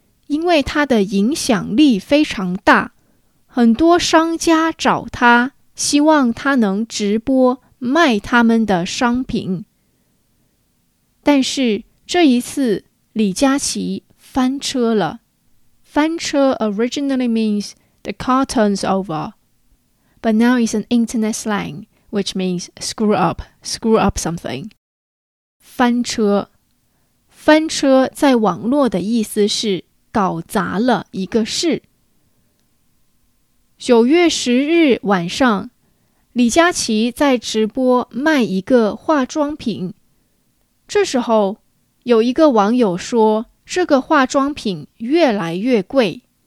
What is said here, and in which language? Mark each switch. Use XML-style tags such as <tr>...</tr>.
<zh>因为他的影响力非常大，很多商家找他，希望他能直播卖他们的商品。但是这一次李佳琪翻车了。</zh> <en>翻车 originally means the car turns over, but now it's an internet slang, which means screw up something.</en> <zh>翻车，翻车在网络的意思是搞砸了一个事。 9月10日晚上，李佳琪在直播卖一个化妆品，这时候有一个网友说这个化妆品越来越贵。</zh>